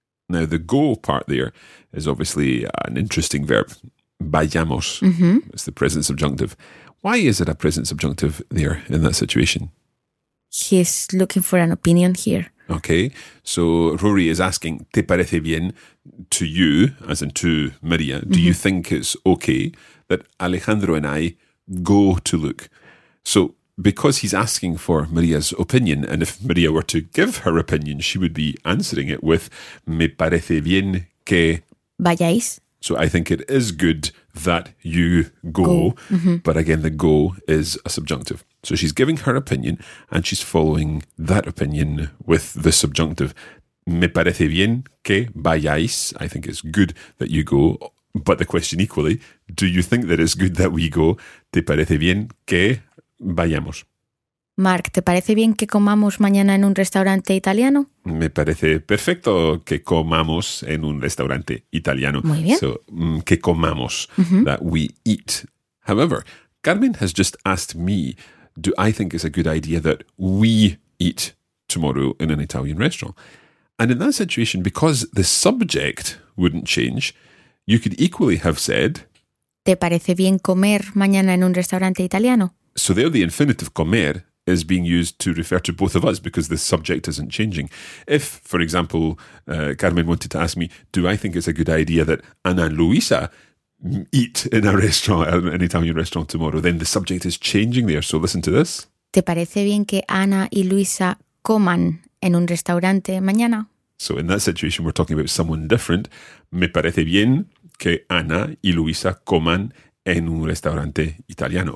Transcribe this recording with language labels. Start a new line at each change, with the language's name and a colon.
English: Now, the go part there is obviously an interesting verb.
Spanish: Vayamos. Mm-hmm.
English: It's the present subjunctive. Why is it a present subjunctive there in that situation? He's looking for an opinion here. Okay. So Rory is asking,
Spanish: ¿te parece bien?
English: To you, as in to Maria, do mm-hmm. you think it's okay that Alejandro and I go to look? So because he's asking for Maria's opinion, and if Maria were to give her opinion, she would be answering it with,
Spanish: me parece bien que vayáis.
English: So I think it is good that you go, mm-hmm. but again, the go is a subjunctive. So she's giving her opinion, and she's following that opinion with the subjunctive.
Spanish: Me parece bien que vayáis.
English: I think it's good that you go. But the question equally, do you think that it's good that we go?
Spanish: ¿Te parece bien que vayamos? Mark, ¿te parece bien que comamos mañana en un restaurante italiano? Me parece perfecto que comamos en un restaurante italiano. Muy bien.
English: So,
Spanish: que comamos, mm-hmm.
English: that we eat. However, Carmen has just asked me, do I think it's a good idea that we eat tomorrow in an Italian restaurant? And in that situation, because the subject wouldn't change, you could equally have said,
Spanish: ¿te parece bien comer mañana en un restaurante italiano?
English: So there the infinitive comer is being used to refer to both of us because the subject isn't changing. If, for example, Carmen wanted to ask me, do I think it's a good idea that Ana and Luisa eat in a restaurant, an Italian restaurant tomorrow, then the subject is changing there. So listen to this.
Spanish: ¿Te parece bien que Ana y Luisa coman en un restaurante mañana?
English: So in that situation, we're talking about someone different.
Spanish: Me parece bien que Ana y Luisa coman en un restaurante italiano.